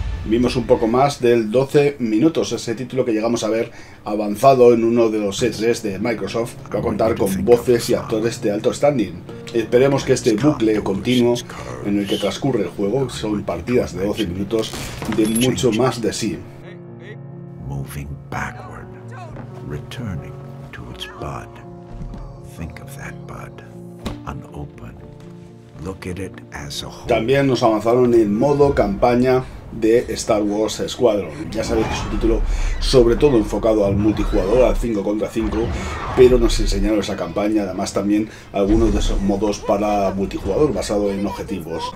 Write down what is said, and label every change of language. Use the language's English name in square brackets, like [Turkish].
[Spanish] Vimos un poco más del 12 minutos, ese título que llegamos a ver avanzado en uno de los E3 de Microsoft, que va a contar con voces y actores de alto standing. Esperemos que este bucle continuo en el que transcurre el juego, son partidas de 12 minutos, dé mucho más de sí. [English] Moving backward, returning to its bud. Think of that bud, unopened. Look at it as a whole. [Spanish] También nos avanzaron en modo campaña de Star Wars Squadron. Ya sabéis que es un título sobre todo enfocado al multijugador, al 5 contra 5, pero nos enseñaron esa campaña, además también algunos de esos modos para multijugador basado en objetivos.